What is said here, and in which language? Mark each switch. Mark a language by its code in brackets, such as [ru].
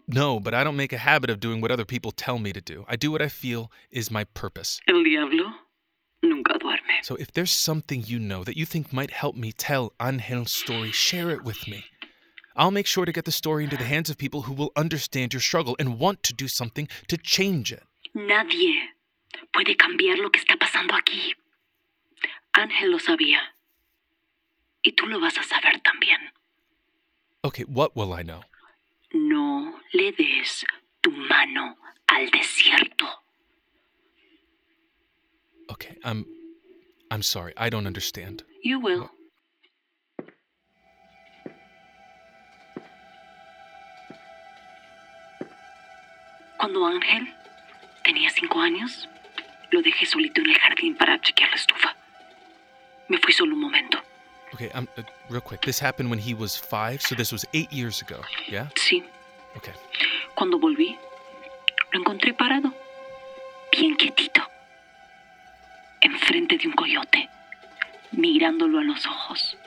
[en] No, but I don't make a habit of doing what other people tell me to do. I do what I feel is my purpose. [es] El diablo nunca duerme. [en] So if there's something you know that you think might help me tell Angel's story, share it with me. I'll make sure to get the story into the hands of people who will understand your struggle and want to do something to change it. [es] Nadie puede cambiar lo que está pasando aquí. Ángel lo sabía. Y tú lo vas a saber también. [en] Okay, what will I know? [es] No le des tu mano al desierto. [en] Okay, I'm sorry. I don't understand. You will. [es] Cuando Ángel tenía 5 años, lo dejé solito en el jardín para chequear la estufa. Me fui solo un momento. [en] Okay, real quick. This happened when he was 5, so this was 8 years ago, yeah? [es] Sí. [en] Okay. [es] Cuando volví, lo encontré parado, bien quietito, enfrente de un coyote, mirándolo a los ojos.